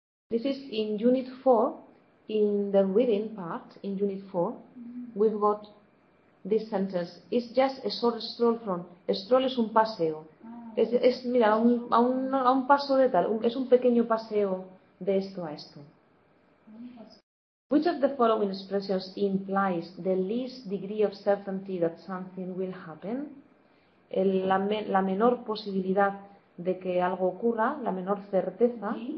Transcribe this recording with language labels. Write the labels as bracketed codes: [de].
[en] This is in Unit 4, in the reading part, in Unit 4, we've got this sentence. It's just a short stroll from, a stroll [es] es un paseo. Es mira, a un paso de tal, es un pequeño paseo de esto a esto. [en] Which of the following expressions implies the least degree of certainty that something will happen? [es] La menor posibilidad de que algo ocurra, la menor certeza.